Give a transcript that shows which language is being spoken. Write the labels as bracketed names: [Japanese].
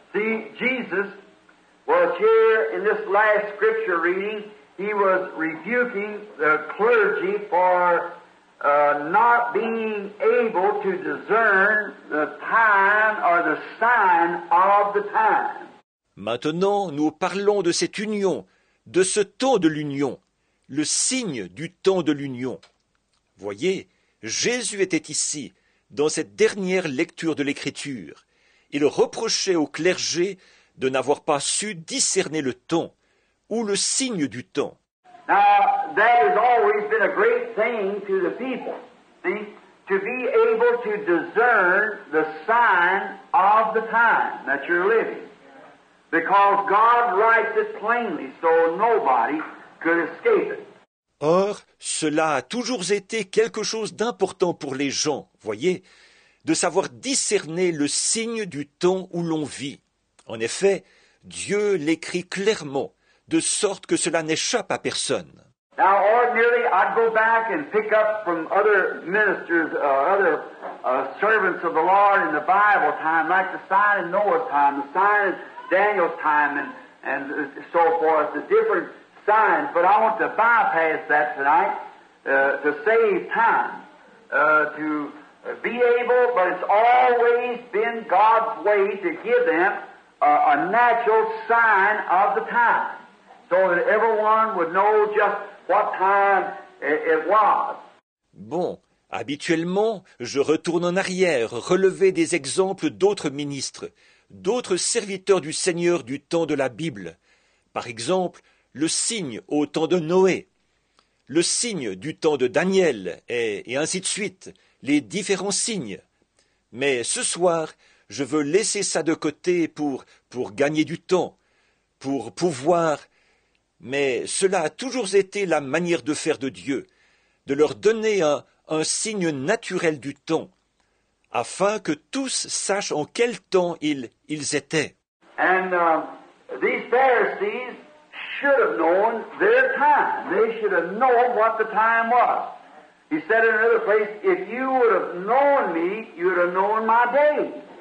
[English] See, Jesus was here in this last scripture reading, he was rebuking the clergy for not being able to discern the time or the sign of the time. [French] Maintenant, nous parlons de cette union, de ce temps de l'union, le signe du temps de l'union. Voyez, Jésus était ici, dans cette dernière lecture de l'Écriture. Il reprochait au clergé de n'avoir pas su discerner le temps ou le signe du temps. [English] Now, that has always been a great thing to the people, see, to be able to discern the sign of the time that you're living. Because God writes it plainly, so nobody could escape it. [French] Or, cela a toujours été quelque chose d'important pour les gens, voyez, de savoir discerner le signe du temps où l'on vit. En effet, Dieu l'écrit clairement, de sorte que cela n'échappe à personne. [English] Now, ordinarily, I'd go back and pick up from other ministers, servants of the Lord in the Bible time, like the sign of Noah's time, the sign of Daniel's time, and so forth, the different signs. But I want to bypass that tonight to save time, to be able, but it's always been God's way to give them a natural sign of the time. So that everyone would know just what time it was. [French] Bon, habituellement, je retourne en arrière, relever des exemples d'autres ministres, d'autres serviteurs du Seigneur du temps de la Bible. Par exemple, le signe au temps de Noé, le signe du temps de Daniel, et ainsi de suite, les différents signes. Mais ce soir, je veux laisser ça de côté pour gagner du temps, pour pouvoir. Mais cela a toujours été la manière de faire de Dieu, de leur donner un signe naturel du temps, afin que tous sachent en quel temps ils étaient. [English] And these Pharisees should have known their time. They should have known what the time was. He said in another place, if you would have known me, you would have known my day.